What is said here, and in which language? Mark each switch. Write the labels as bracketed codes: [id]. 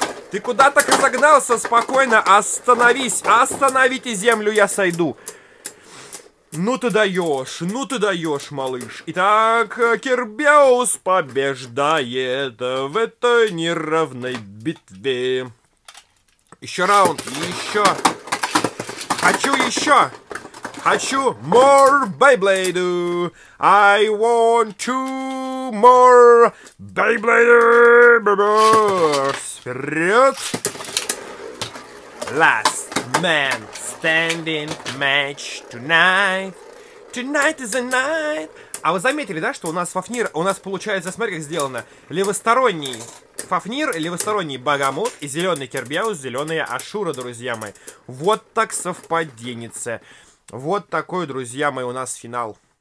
[ru] Ты куда так разогнался? Спокойно, остановись, остановите землю, я сойду. Ну ты даешь, малыш. Итак, Кербеус побеждает в этой неравной битве. Еще раунд, еще. Хочу еще. Хочу [en] more Beyblade. I want two more Beyblade. [ru] Вперед. [en] Last man. Standing match tonight. Tonight is the night. [ru] А вы заметили, да, что у нас Фафнир, у нас получается, смотри, как сделано. Левосторонний Фафнир, левосторонний Багамот и зеленый Кербеус, зеленая Ашура, друзья мои. Вот так совпаденится. Вот такой, друзья мои, у нас финал.